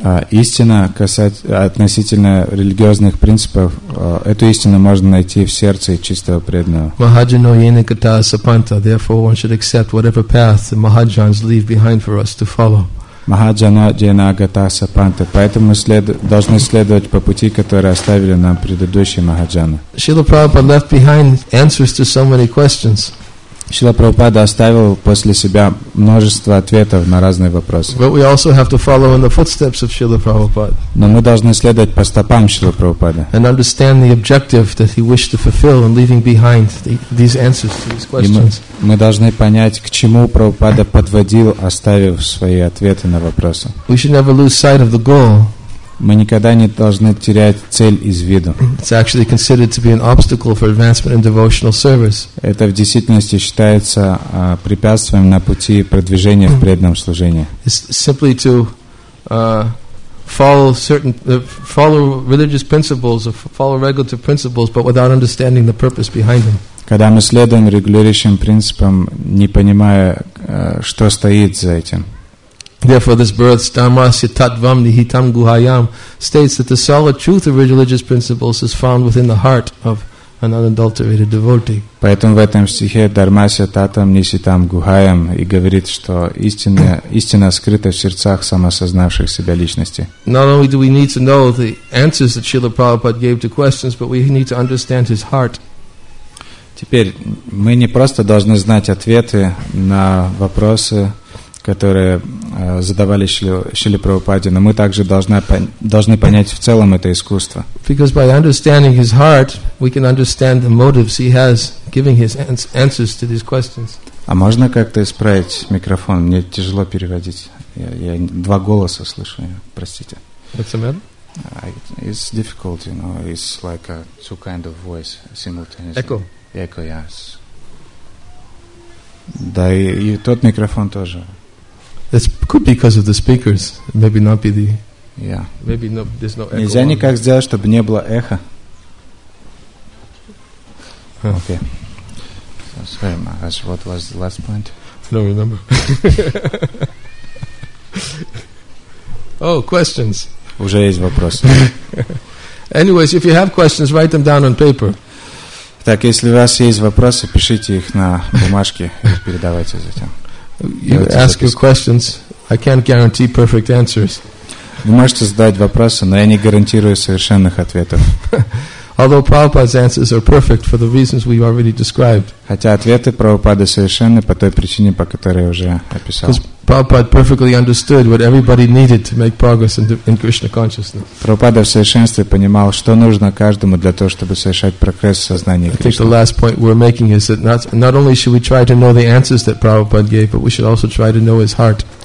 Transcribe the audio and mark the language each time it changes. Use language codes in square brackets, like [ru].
[ru] Истина относительно религиозных принципов, эту истину можно найти в сердце чистого преданного. [sa] Mahajano yena gata sapanta. [en] Therefore, one should accept whatever path the Mahajans leave behind for us to follow. [sa] Mahajana jena gata sapanta. [ru] Поэтому мы должны следовать по пути, который оставили нам предыдущие Mahajana. [en] Srila Prabhupada left behind answers to so many questions. [ru] Srila Prabhupada оставил после себя множество ответов на разные вопросы. [en] But we also have to follow in the footsteps of Srila Prabhupada. [ru] Но мы должны следовать по стопам Srila Prabhupada. [en] And understand the objective that he wished to fulfill in leaving behind these answers to these questions. [ru] Мы должны понять, к чему Прабхупада подводил, оставив свои ответы на вопросы. [en] We should never lose sight of the goal. [ru] Мы никогда не должны терять цель из виду. [en] It's actually considered to be an obstacle for advancement in devotional service. [ru] Это в действительности считается препятствием на пути продвижения в преданном служении. [en] It's simply to follow religious principles or follow regulative principles, but without understanding the purpose behind them. [ru] Когда мы следуем регулирующим принципам, не понимая, что стоит за этим. [en] Therefore, this verse, [sa] Dharmasya tattvam nihitam guhayam, [en] states that the solid truth of religious principles is found within the heart of an unadulterated devotee. [ru] Поэтому в этом стихе [sa] Dharmasya tattvam nihitam guhayam [ru] и говорит, что истина скрыта в сердцах самосознавших себя личности. [en] Not only do we need to know the answers that Srila Prabhupada gave to questions, but we need to understand his heart. [ru] Теперь мы не просто должны знать ответы на вопросы, которые задавали Шрила Прабхупаде, но мы также должны понять в целом это искусство. [en] Because by understanding his heart, we can understand the motives he has giving his answers to these questions. [ru] А можно как-то исправить микрофон? Мне тяжело переводить. Я два голоса слышу. Простите. [en] What's the matter? It's difficult, you know. It's like two kind of voice simultaneously. Echo. Echo, yes. [ru] Да, и тот микрофон тоже. [en] It could be because of the speakers. Maybe not be the... Yeah. Maybe no, there's no echo. [ru] Нельзя никак сделать, чтобы не было эхо. [en] Okay. So, sorry, Maharaj, what was the last point? No, remember. Oh, questions. [ru] Уже есть вопросы. [en] Anyways, if you have questions, write them down on paper. [ru] Так, если у вас есть вопросы, пишите их на бумажке и передавайте затем. [en] You ask your questions. I can't guarantee perfect answers. [ru] Вы можете задать вопросы, но я не гарантирую совершенных ответов. [en] Although Prabhupada's answers are perfect for the reasons we already described. [ru] Хотя ответы Прабхупады совершенны по той причине, по которой я уже описал. [en] Because Prabhupada perfectly understood what everybody needed to make progress in Krishna consciousness. [ru] Прабхупада в совершенстве понимал, что нужно каждому для того, чтобы совершать прогресс в сознании Кришны. [en] I think the last point we're making is that not only should we try to know the answers that Prabhupada gave, but we should also try to know his heart.